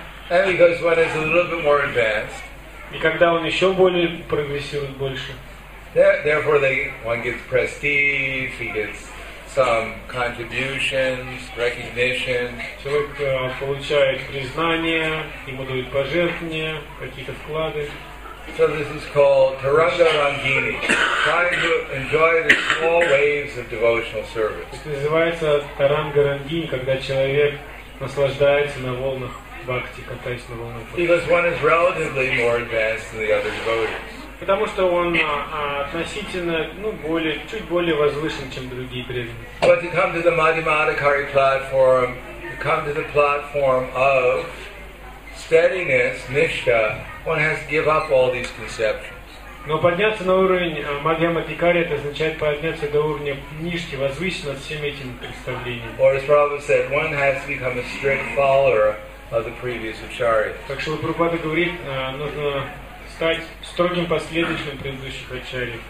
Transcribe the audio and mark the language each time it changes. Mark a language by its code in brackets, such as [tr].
[en] And because one is a little bit more advanced. [ru] И когда он еще более прогрессирует больше. [en] Therefore, one gets prestige, he gets some contributions, recognition. [ru] Человек получает признание, ему дают пожертвования, какие-то вклады. [en] So this is called Taranga Rangini, trying to enjoy the small waves of devotional service. [ru] Это называется Таранга Рангини, когда человек наслаждается на волнах бхакти, катаясь на волнах. [en] Because one is relatively more advanced than the other devotees. [ru] Потому что он относительно, ну, более, чуть более возвышен, чем другие преданные. [en] But to come to the Madhyamadhikari platform, to come to the platform of steadiness, nishtha, one has to give up all these conceptions. [ru] Но подняться на уровень Мадхьямадхикари, это означает подняться до уровня ништи, возвыситься над всеми этими представлениями. [en] Or as Prabhupada said, one has to become a strict follower of the previous acharyas. [ru] Так что Прабхупада говорит, нужно стать строгим последователем предыдущих ачарьев.